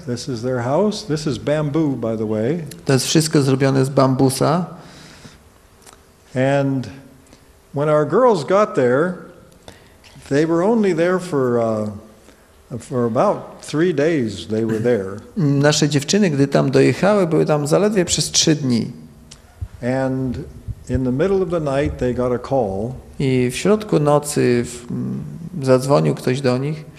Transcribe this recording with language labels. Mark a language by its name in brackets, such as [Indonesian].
[English] This is their house. This is bamboo, by the way. [Polish] To jest wszystko zrobione z bambusa. [English] And when our girls got there, they were only there for about 3 days. They were there. [Polish] Nasze dziewczyny, gdy tam dojechały, były tam zaledwie przez 3 dni. [English] And in the middle of the night, they got a call. [Polish] I w środku nocy zadzwonił ktoś do nich.